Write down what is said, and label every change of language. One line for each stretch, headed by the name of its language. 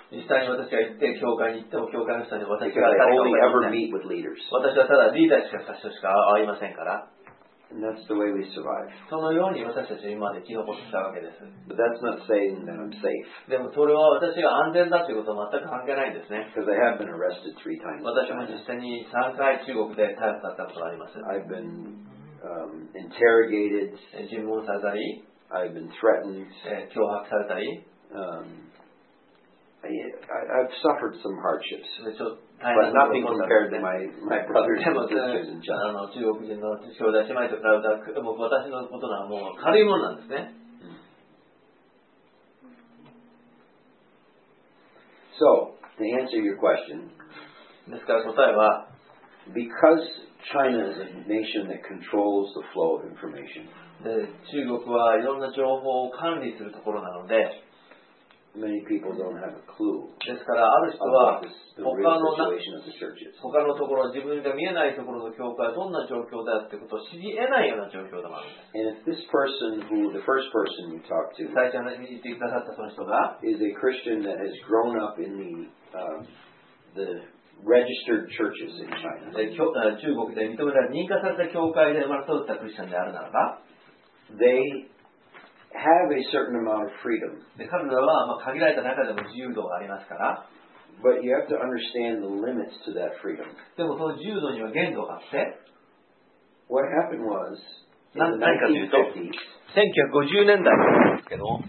Japanese: 実際に私が行って教会に行っても教会の人に私が誰かわかりません。
English: Because I only ever meet with leaders.
Japanese: 私はただリーダーしか人しか会いませんから。
English: And that's the way we survive.
Japanese: そのように私たちは今まで生き残ってきたわけです。
English: But that's not saying that I'm safe.
Japanese: でもそれは私が安全だということは全く関係ないんですね。
English: Because I have been arrested three times.
Japanese: 私も実際に3回中国で逮捕されたことがあります。
English: I've been interrogated.
Japanese: 尋問されたり。
English: I've been threatened.
Japanese: 脅迫されたり。
English: I've suffered some hardships. But nothing compared to my brothers and sisters in China.
Japanese: 中国人の兄弟姉妹と比べたら、もう私のことはもう軽いものなんですね。
English: So, to answer your question,
Japanese: ですから答えは、
English: because China is a nation that controls the flow of information,
Japanese: 中国はいろんな情報を管理するところなので、
English: Many people don't have a clue.
Japanese: ですからある人は他の
English: situation of the churches.
Japanese: 他のところ自分が見えないところの教会はどんな状況だってことを知り得ないような状況でもあるんです。
English: And if this person who the first person you talked to
Japanese: 最初に言ってくださったその人が
English: is a Christian that has grown up in the registered churches in China.
Japanese: 中国で認められた認可された教会で生まれ育ったクリスチャンであるならば
English: they have a certain amount of freedom.
Japanese: で、彼らはまあ限られた中でも自由度がありますから。
English: But you have to understand the limits to that freedom.
Japanese: でもその自由度には限度があって。
English: What happened was,
Japanese: 何かというと、1950年代なんですけど、